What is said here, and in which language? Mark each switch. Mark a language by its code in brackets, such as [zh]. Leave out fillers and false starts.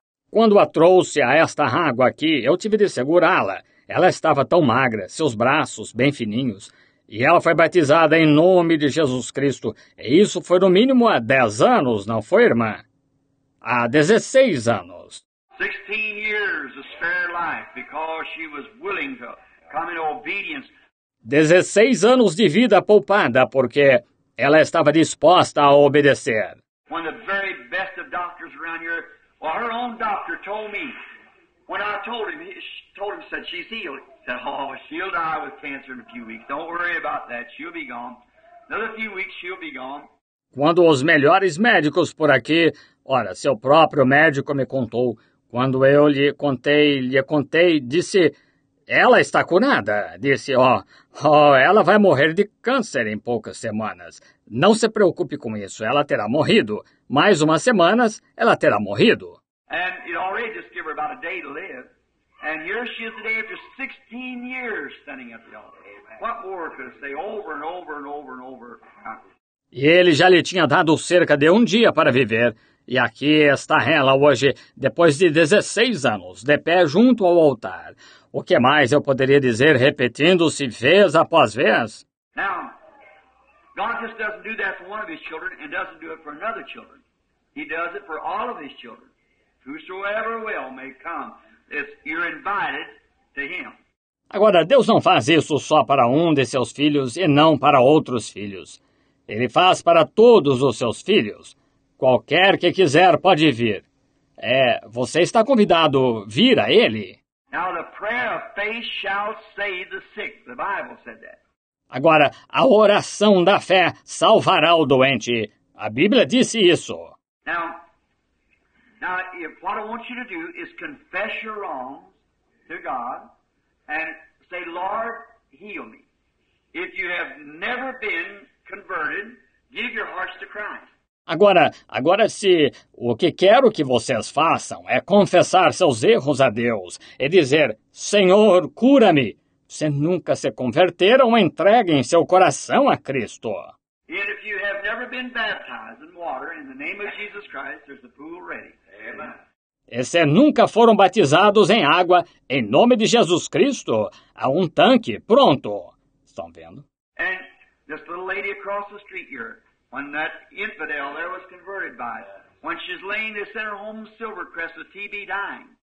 [pt] Quando a trouxe a esta água aqui, eu tive de segurá-la. Ela estava tão magra, seus braços bem fininhos... E ela foi batizada em nome de Jesus Cristo. E isso foi no mínimo há 10 anos, não foi, irmã? Há 16 anos. [en] 16 years of spare life because she was willing to come in obedience. [pt] 16 anos de vida poupada porque ela estava disposta a obedecer. [en] One of the very best of doctors around here Well, her own doctor told me, when I told him, said she's healed. He said, oh, she'll die with cancer in a few weeks. Don't worry about that. She'll be gone. Another few weeks, she'll be gone. [pt] Quando os melhores médicos por aqui, ora, seu próprio médico me contou, quando eu lhe contei, disse, ela está curada. Disse, ela vai morrer de câncer em poucas semanas. Não se preocupe com isso, ela terá morrido. Mais umas semanas, ela terá morrido. [en] And it already just gave her about a day to live. And here she is today after 16 years standing at the altar. What more could I say over and over and over and over? [pt] E ele já lhe tinha dado cerca de um dia para viver. E aqui está ela hoje, depois de 16 anos, de pé junto ao altar. O que mais eu poderia dizer repetindo-se vez após vez? [en] Now, God just doesn't do that for one of his children and doesn't do it for another children. He does it for all of his children. Whosoever will may come. You're invited to him. [pt] Agora, Deus não faz isso só para um de seus filhos e não para outros filhos. Ele faz para todos os seus filhos. Qualquer que quiser pode vir. É, você está convidado a vir a ele. [en] Now the prayer of faith shall save the sick. The Bible said that. [pt] Agora, a oração da fé salvará o doente. A Bíblia disse isso. [en] Now, if what I want you to do is confess your wrongs to God and say, Lord, heal me. If you have never been converted, give your hearts to Christ. [pt] Agora se o que quero que vocês façam é confessar seus erros a Deus e dizer, Senhor, cura-me. Se nunca se converteram, entreguem seu coração a Cristo. [en] And if you have never been baptized in water in the name of Jesus Christ, there's a pool ready. Amen. [pt] E se nunca foram batizados em água em nome de Jesus Cristo, há um tanque pronto. Estão vendo? [en] And this little lady across the street here, when that infidel there was converted by, when she's laying this in her home Silvercrest with TB dying.